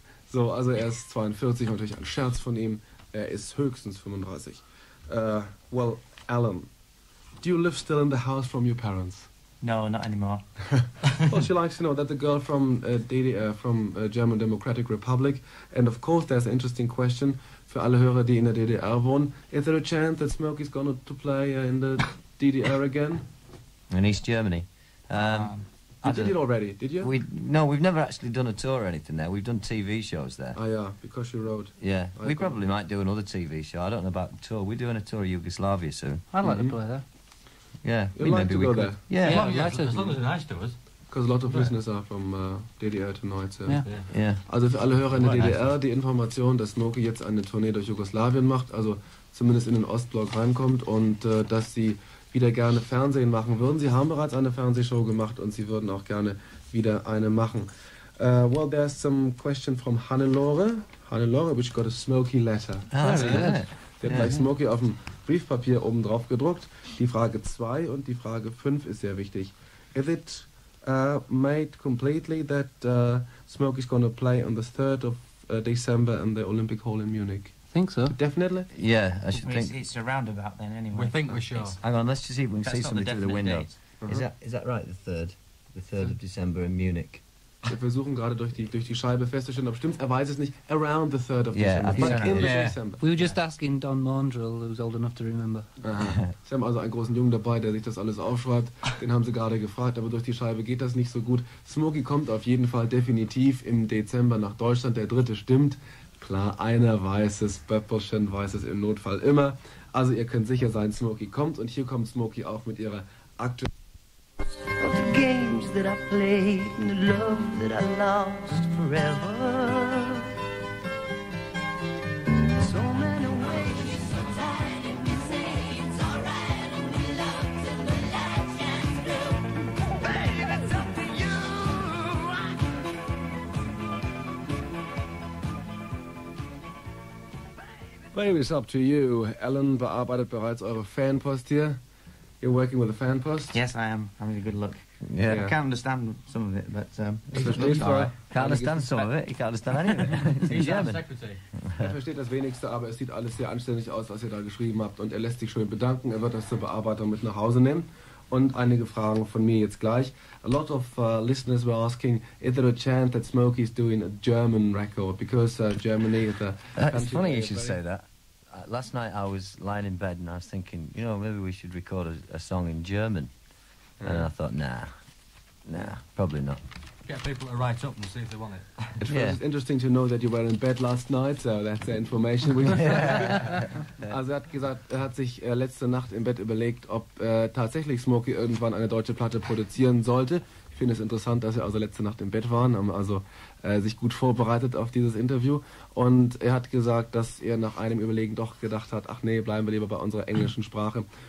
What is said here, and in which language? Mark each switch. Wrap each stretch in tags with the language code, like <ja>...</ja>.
<de>So, also er ist 42, natürlich ein Scherz von ihm. Er ist höchstens 35.</de> <en>Well, Alan, do you live still in the house from your parents? No, not anymore. Well, she likes to know that the girl from German Democratic Republic, and of course there's an interesting question for</en> <de>alle Hörer, die in der DDR wohnen.</de> <en>Is there a chance that Smokie's going to play in the DDR again? In East Germany. You did it already, did you? We've never actually done a tour or anything there. We've done TV shows there. Oh, yeah, because you wrote. Yeah, we probably might do another TV show. I don't know about the tour. We're doing a tour of Yugoslavia soon. I'd like to play there. Yeah. You'd like to go there? Yeah. As long as it's nice to us. Because a lot of listeners are from DDR tonight. So. Yeah.</en> <de>Also für alle Hörer in der DDR, die Information, dass Smokie jetzt eine Tournee durch Jugoslawien macht, also zumindest in den Ostblock reinkommt und dass sie wieder gerne Fernsehen machen würden. Sie haben bereits eine Fernsehshow gemacht und sie würden auch gerne wieder eine machen.</de> <en>Well, there's some question from Hannelore. Hannelore, which got a Smokie letter.</en> <de>Sie hat gleich Smokie auf dem Briefpapier oben drauf gedruckt. Die Frage 2 und die Frage 5 ist sehr wichtig.</de> <en>Is it made completely that Smokie is going to play on the 3rd of December in the Olympic Hall in Munich? Think so. Definitely? Yeah, I should think. It's a roundabout then, anyway. We think we're sure. Hang on, let's just see if we can see something through the window. Is that right, the 3rd of December in Munich?</en> <de>Wir versuchen gerade durch die Scheibe festzustellen, ob stimmt. Er weiß es nicht.</de> <en>Around the 3rd of December. We were just asking Don Mondrill, who's old enough to remember.</en> <de>Sie haben also einen großen Jungen dabei, der sich das alles aufschreibt. Den haben sie gerade gefragt, aber durch die Scheibe geht das nicht so gut. Smokie kommt auf jeden Fall definitiv im Dezember nach Deutschland. Der 3. stimmt. Klar, einer weiß es, Böppelchen weiß es im Notfall immer. Also ihr könnt sicher sein, Smokie kommt. Und hier kommt Smokie auch mit ihrer aktuellen...</de> <en>Of the games that I played and the love that I lost forever. So many ways. You're so tired and you say it's alright. Only love till the light shines blue. Baby, that's up to you. Baby, it's up to you.</en> <de>Ellen bearbeitet bereits eure Fanpost hier.</de> <en>You're working with a fan post? Yes, I am. I'm having a good look. Yeah. I can't understand some of it, but... You can't understand any of it. He's German. Secretary.</en> <de>Er versteht das Wenigste, aber es sieht alles sehr anständig aus, was ihr da geschrieben habt. Und er lässt sich schön bedanken. Er wird das zur Bearbeitung mit nach Hause nehmen. Und einige Fragen von mir jetzt gleich.</de> <en>A lot of listeners were asking, is there a chance that Smokie is doing a German record? Because Germany is a... That's funny you should say that. Last night I was lying in bed and I was thinking, you know, maybe we should record a song in German. Mm. And I thought, nah, probably not. Get people to write up and see if they want it. It's interesting to know that you were in bed last night, so that's the information we have.</en> <de>Also er hat sich letzte Nacht im Bett überlegt, ob tatsächlich Smokie irgendwann eine deutsche Platte produzieren sollte. Ich finde es interessant, dass wir also letzte Nacht im Bett waren, haben also sich gut vorbereitet auf dieses Interview. Und er hat gesagt, dass er nach einem Überlegen doch gedacht hat, ach nee, bleiben wir lieber bei unserer englischen Sprache.</de>